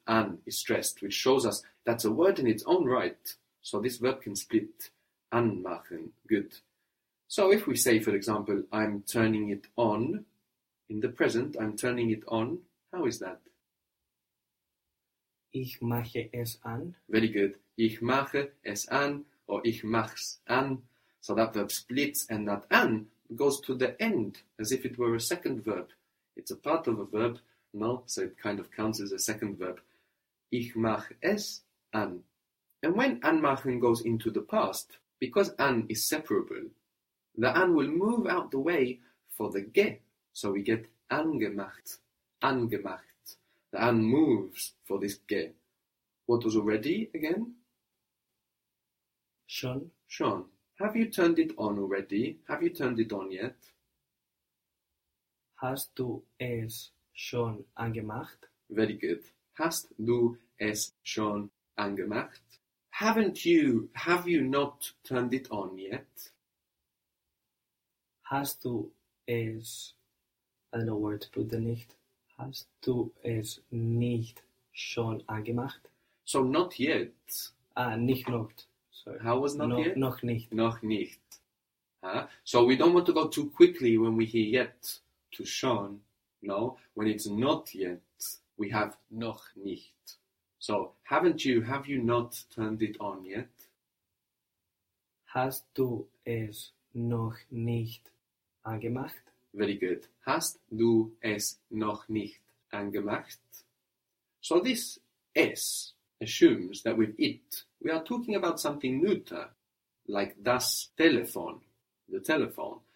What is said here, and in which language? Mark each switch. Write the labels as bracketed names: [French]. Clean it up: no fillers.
[English] An is stressed, which shows us that's a word in its own right. So this verb can split. Anmachen. Good. So if we say, for example, I'm turning it on, in the present, I'm turning it on, how is that? [German] Ich mache es an. [English] Very good. [German] Ich mache es an, or ich mach's an. [English] So that verb splits, and that an goes to the end, as if it were a second verb. It's a part of a verb, no? So it kind of counts as a second verb. [German] Ich mach es an. [English] And when anmachen goes into the past, because an is separable, the an will move out the way for the ge, so we get angemacht, angemacht. The an moves for this ge. What was already again? [German] Schon. Schon. [English] Have you turned it on already? Have you turned it on yet? [German] Hast du es schon angemacht? [English] Very good. [German] Hast du es schon angemacht? [English] Haven't you, have you not turned it on yet? [German] Hast du es, [English] I don't know where to put the nicht, [German] hast du es nicht schon angemacht? [English] So not yet. [German] Nicht noch, sorry. [English] How was not yet? [German] Noch nicht. Noch nicht. Huh? [English] So we don't want to go too quickly when we hear yet to schon, no? When it's not yet, we have noch nicht. So haven't you, have you not turned it on yet? [German] Hast du es noch nicht angemacht. [English] Very good. [German] Hast du es noch nicht angemacht? [English] So this es assumes that with it, we are talking about something neuter, like das Telefon, the telephone.